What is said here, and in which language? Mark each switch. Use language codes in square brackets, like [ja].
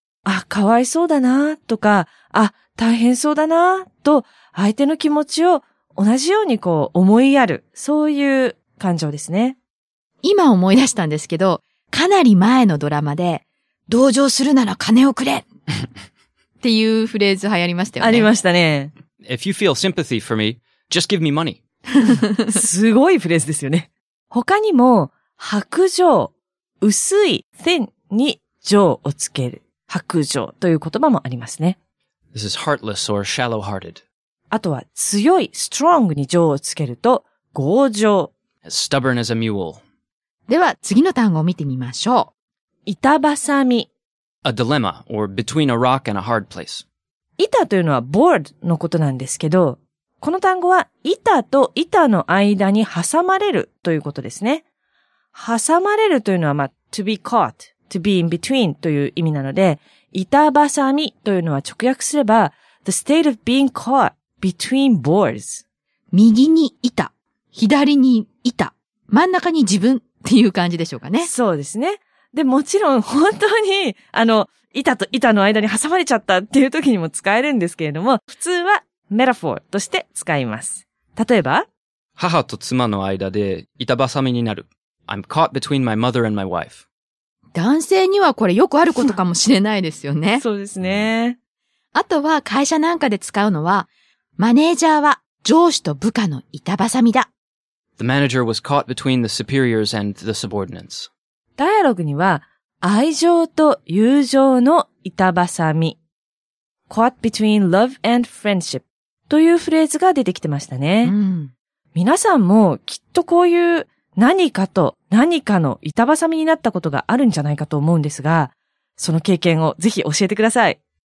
[ja] あ、かわいそうだなとか、あ、大変そうだなと相手の気持ちを同じようにこう思いやる、そういう感情ですね。今思い出したんですけど、かなり前のドラマで、同情するなら金をくれっていうフレーズ流行りましたよね。ありましたね。 [en] If you feel sympathy for me, just give me money. [ja] すごいフレーズですよね。他にも、白状、薄い、thin に情をつける。白状という言葉もありますね。 [en] This is heartless or shallow-hearted. [ja] あとは、強い、strong に情をつけると、強情。 [en] As stubborn as a mule. [ja] では、次の単語を見てみましょう。板挟み。 [en] A dilemma or between a rock and a hard place. [ja] 板というのは board のことなんですけど、この単語は板と板の間に挟まれるということですね。挟まれるというのは、まあ、 [en] to be caught, to be in between [ja] という意味なので、板挟みというのは直訳すれば、 [en] the state of being caught between boards. [ja] 右に板、左に板、真ん中に自分っていう感じでしょうかね。そうですね。で、もちろん本当に、板と板の間に挟まれちゃったっていう時にも使えるんですけれども、普通はメタフォーとして使います。例えば、母と妻の間で板挟みになる。 [en] I'm caught between my mother and my wife. [ja] 男性にはこれよくあることかもしれないですよね。そうですね。あとは会社なんかで使うのは、マネージャーは上司と部下の板挟みだ。 [en] The manager was caught between the superiors and the subordinates. [ja] ダイアログには、愛情と友情の板挟み。 [en] caught between love and friendship [ja] というフレーズが出てきてましたね。うん、皆さんもきっとこういう何かと何かの板挟みになったことがあるんじゃないかと思うんですが、その経験をぜひ教えてください。